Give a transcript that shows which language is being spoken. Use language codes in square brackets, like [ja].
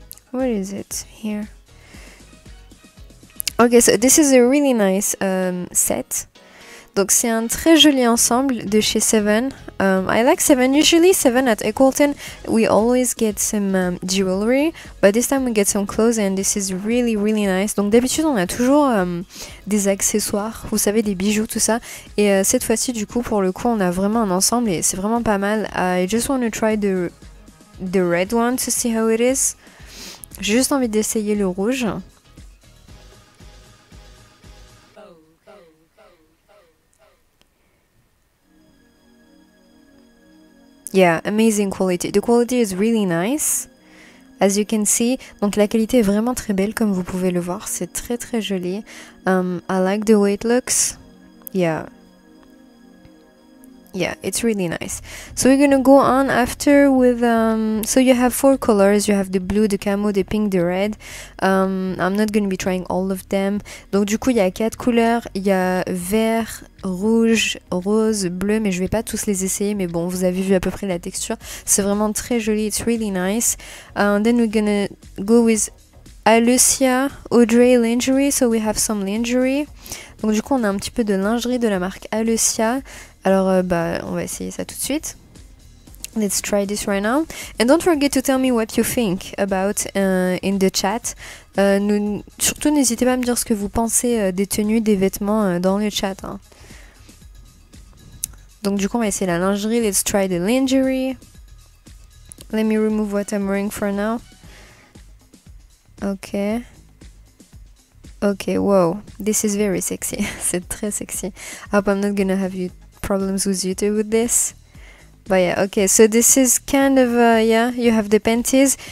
[en] What is it here? Okay, so this is a really nice set. [fr] Donc c'est un très joli ensemble de chez Seven. [en] I like Seven. Usually Seven at Equal10, we always get some jewelry, but this time we get some clothes and this is really really nice. [fr] Donc d'habitude on a toujours des accessoires, vous savez, des bijoux, tout ça. Et cette fois-ci du coup, pour le coup, on a vraiment un ensemble et c'est vraiment pas mal. [en] I just want to try the red one to see how it is. [fr] J'ai juste envie d'essayer le rouge. [en] Yeah, amazing quality. The quality is really nice, as you can see. [fr] Donc la qualité est vraiment très belle, comme vous pouvez le voir. C'est très très joli. [en] I like the way it looks. Yeah. Yeah, it's really nice. So we're gonna go on after with so you have four colors. You have the blue, the camo, the pink, the red. I'm not gonna be trying all of them. [fr] Donc du coup il y a quatre couleurs. Il y a vert, rouge, rose, bleu, mais je vais pas tous les essayer, mais bon, vous avez vu à peu près la texture. C'est vraiment très joli, [en] it's really nice. Then we're gonna go with Alucia Audrey Lingerie. So we have some lingerie. [fr] Donc du coup on a un petit peu de lingerie de la marque Alucia. Alors bah on va essayer ça tout de suite. [en] Let's try this right now. And don't forget to tell me what you think about in the chat. [fr] Surtout n'hésitez pas à me dire ce que vous pensez des tenues, des vêtements dans le chat. Hein. Donc du coup on va essayer la lingerie. [en] Let's try the lingerie. Let me remove what I'm wearing for now. Ok. Ok, wow. This is very sexy. [fr] C'est très sexy. [en] I hope I'm not gonna have you problems with YouTube with this. But yeah, okay. So this is kind of, yeah, you have the panties.